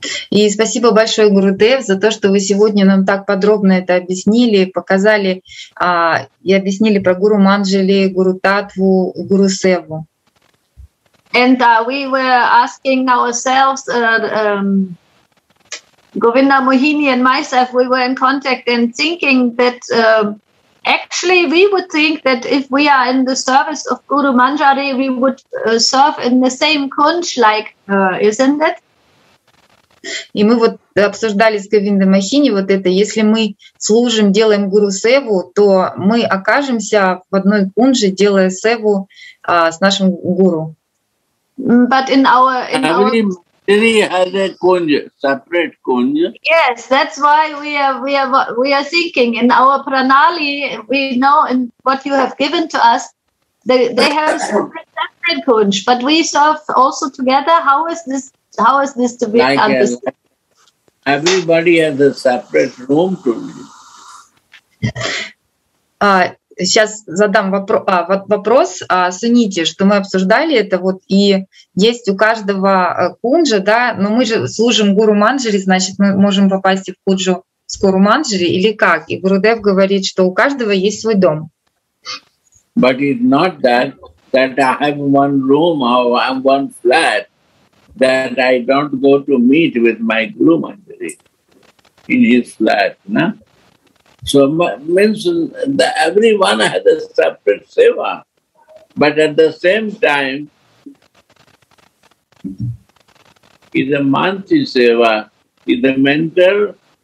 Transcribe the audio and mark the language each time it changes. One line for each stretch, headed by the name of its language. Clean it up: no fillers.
Russian: И спасибо большое, Гурудев, за то, что вы сегодня нам так подробно это объяснили, показали и объяснили про Гуру Манджали, Гуру Татву, Гуру Севу.
English: And we were asking ourselves, Govinda Mohini and myself, we were in contact and thinking that actually we would think that if we are in the service of Guru Manjari, we would serve in the same kunch like her, isn't it?
Russian: И мы вот обсуждали с Говиндой Махини вот это, если мы служим, делаем гуру севу, то мы окажемся в одной кунже, делая севу с нашим гуру.
English: But in our in our Mahini has a kunja, separate kunja. Yes, that's why we are thinking in our pranali, we know in what you have given to us, they have a separate kunj, but we serve also together. How is this to be like understood? Everybody has a separate room to me.
Russian: Сейчас задам вопрос, Суните, что мы обсуждали это, вот и есть у каждого кунджа, да, но мы же служим Гуру Манджари, значит, мы можем попасть в куджу с Гуру Манджари или как? И Гурудев говорит, что у каждого есть свой дом.
English: But it's not that I have one room or I have one flat. That I don't go to meet with my Guru Manjari in his flat, no? So means that everyone has a separate seva, but at the same time, is a manti seva, is a mental.